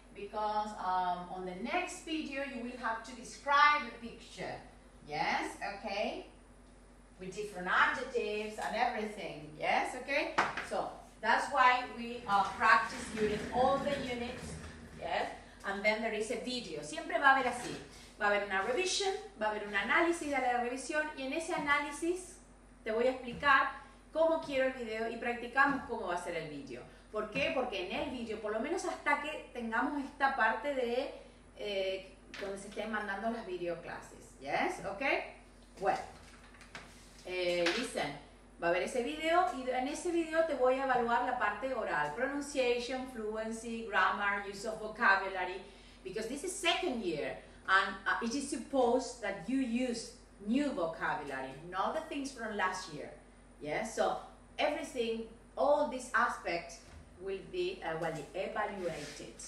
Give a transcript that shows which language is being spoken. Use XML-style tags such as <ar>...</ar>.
<en>Because on the next video, you will have to describe the picture, yes, okay? With different adjectives and everything, yes, okay? So that's why we practice unit, all the units, yes? And then there is a video.</en> <es>Siempre va a haber así. Va a haber una revisión, va a haber un análisis de la revisión, y en ese análisis te voy a explicar cómo quiero el video y practicamos cómo va a ser el video. ¿Por qué? Porque en el video, por lo menos hasta que tengamos esta parte de donde se estén mandando las videoclases. ¿Yes? ¿Ok? Bueno, listen, va a haber ese video y en ese video te voy a evaluar la parte oral.</es> <en>Pronunciation, fluency, grammar, use of vocabulary, because this is second year. And it is supposed that you use new vocabulary, not the things from last year. Yes, so everything, all these aspects will be evaluated.</en>